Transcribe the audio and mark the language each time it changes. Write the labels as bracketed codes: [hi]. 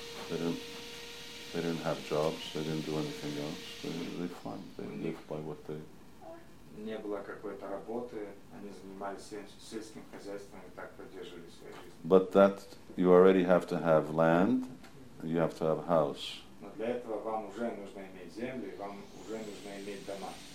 [en] They didn't have jobs, they didn't do anything else. They farmed, they lived by what they... [ru] Не было какой-то работы, они занимались сельским хозяйством и так поддерживали свою жизнь. [en] But that, you already have to have land, you have to have a house. [ru] Но для этого вам уже нужно иметь землю, вам уже нужно иметь дома.